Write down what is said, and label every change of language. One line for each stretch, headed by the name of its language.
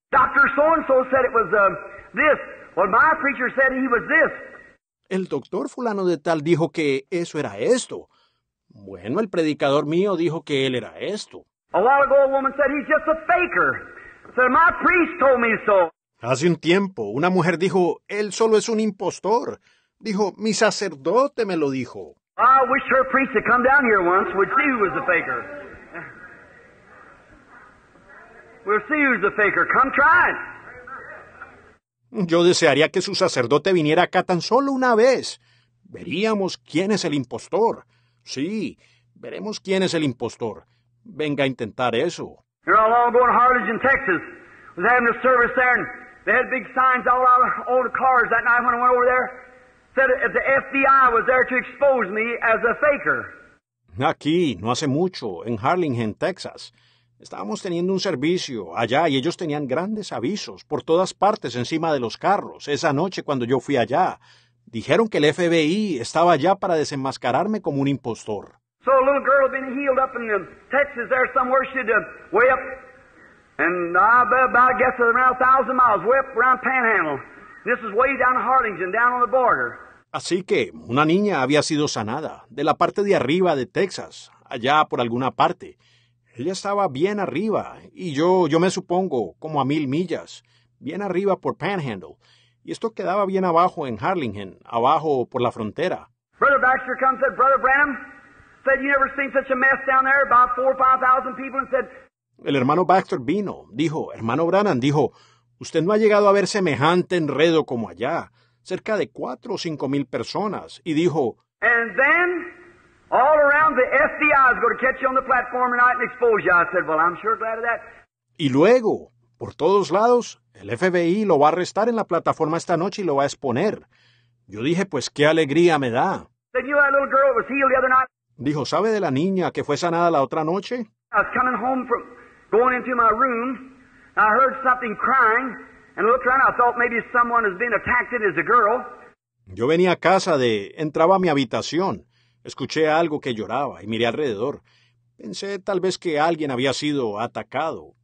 English: Dr. So-and-so said it was this. Well, my preacher said he was this.
Spanish: El doctor fulano de tal dijo que eso era esto. Bueno, el predicador mío dijo que él era esto.
English: A while ago, a woman said he's just a faker. Said my priest told me so.
Spanish: Hace un tiempo, una mujer dijo, él solo es un impostor. Dijo, mi sacerdote me lo dijo.
English: I wish her priest had come down here once. We'd see who was the faker. We'll see who's the faker. Come try it.
Spanish: Yo desearía que su sacerdote viniera acá tan solo una vez. Veríamos quién es el impostor. Sí, veremos quién es el impostor. Venga a intentar eso.
English: You're all going to Harlingen, Texas. I was having a service there, and they had big signs all out of the cars that night when I went over there. Said that the FBI was there to expose me as a faker.
Spanish: Aquí, no hace mucho, en Harlingen, Texas. Estábamos teniendo un servicio allá y ellos tenían grandes avisos por todas partes encima de los carros. Esa noche cuando yo fui allá, dijeron que el FBI estaba allá para desenmascararme como un impostor.
English: So a little girl had been healed up in Texas there somewhere. She'd way up, and I guess around 1,000 miles, way up around Panhandle. This is way down in Harlingen, down on the border.
Spanish: Así que una niña había sido sanada de la parte de arriba de Texas, allá por alguna parte. Ella estaba bien arriba, y yo me supongo como a 1,000 millas, bien arriba por Panhandle. Y esto quedaba bien abajo en Harlingen, abajo por la frontera.
English: Brother Baxter comes, said, Brother Branham, said, you never seen such a mess down there, about 4,000 or 5,000 people, and said...
Spanish: El hermano Baxter vino, dijo, hermano Branham, dijo, usted no ha llegado a ver semejante enredo como allá, cerca de 4,000 or 5,000 personas, y dijo...
English: And then... All around the FBI is going to catch you on the platform tonight and expose you. I said, well, I'm sure glad of that.
Spanish: Y luego, por todos lados, el FBI lo va a arrestar en la plataforma esta noche y lo va a exponer. Yo dije, pues, qué alegría me da.
English: Said, you know that little girl that was healed the other night?
Spanish: Dijo, ¿sabe de la niña que fue sanada la otra noche?
English: I was coming home from going into my room. I heard something crying and looked around. I thought maybe someone has been attacked. It is a girl.
Spanish: Yo venía a casa de, entraba a mi habitación. Escuché algo que lloraba y miré alrededor. Pensé tal vez que alguien había sido atacado.